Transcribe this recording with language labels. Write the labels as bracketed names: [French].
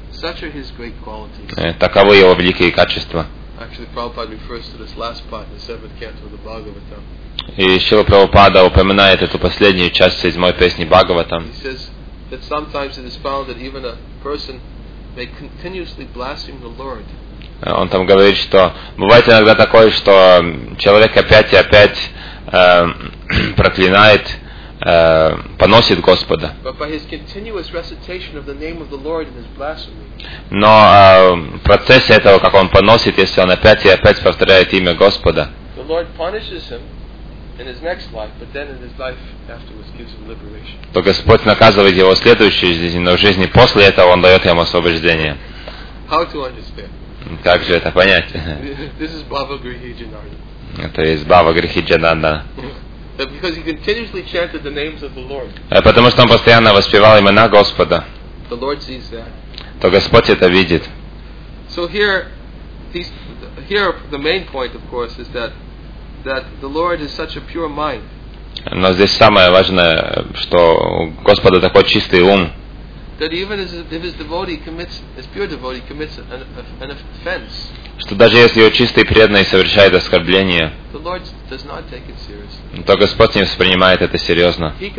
[English] Such are his great qualities. [Russian] Таковы его великие качества. [English] Actually, Prabhupada refers to this last part in the seventh canto of the Bhagavatam. [Russian] И Шрила Прабхупада упоминает эту последнюю часть седьмой песни Бхагаватам. [English] He says that sometimes it is found that even a person may continuously blaspheme the Lord. [Russian] Он там говорит, что бывает иногда такое, что человек опять и опять проклинает, поносит Господа. [English] But by his continuous recitation of the name of the Lord in his blasphemy. [Russian] Но в процессе этого, как он поносит, если он опять и опять повторяет имя Господа, [English] the Lord punishes him in his next life, but then in his life afterwards gives him liberation. [Russian] То Господь наказывает его в следующей жизни, но в жизни после этого он дает ему освобождение. [English] How to understand? [Russian] Как же это понять? [English] This is Bhava Grihi Janardana. [Russian] Это из Бхава Грихи Джананда. [English] Because he continuously chanted the names of the Lord. [Russian] Потому что он постоянно воспевал имена Господа. [English] The Lord sees that. [Russian] То Господь это видит. [English] So here the main point, of course, is that the Lord is such a pure mind. [Russian] Но здесь самое важное, что у Господа такой чистый ум. [English] That even if his devotee commits, his pure devotee commits an offense. [Russian] Что даже если его чистый преданный совершает оскорбление, [English] the Lord does not take it seriously. [Russian] То Господь не воспринимает это серьезно.